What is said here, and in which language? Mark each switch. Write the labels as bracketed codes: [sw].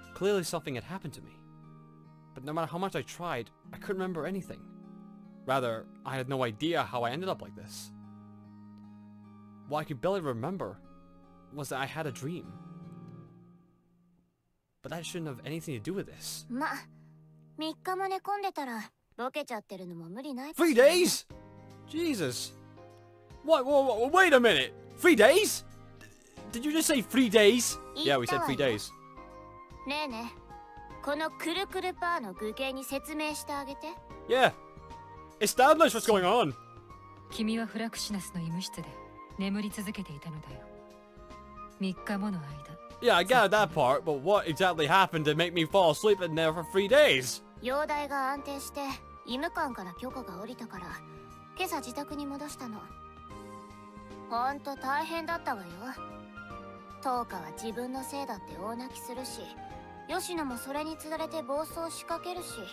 [en] Clearly something had happened to me. But no matter how much I tried, I couldn't remember anything. Rather, I had no idea how I ended up like this. What I could barely remember was that I had a dream. But that shouldn't have anything to do with this. [ja] 3日も寝込んでたらボケちゃってるのも無理ない。 [en] 3 days? Jesus. What, wait a minute. 3 days? Did you just say 3 days? Yeah, we said 3 days. [ja] ねえねえ、このくるくるパーの具形に説明してあげて。 [en] Yeah. Establish what's going on! [ja] 君はフラクシナスの医務室で眠り続けていたのだよ。 3日もの間。 [en] Yeah, I got that part, but what exactly happened to make me fall asleep in there for 3 days? [ja] 容体が安定して、医務官から許可が下りたから、今朝自宅に戻したの。本当大変だったわよ。トーカは自分のせいだって大泣きするし、ヨシノもそれにつられて暴走しかけるし。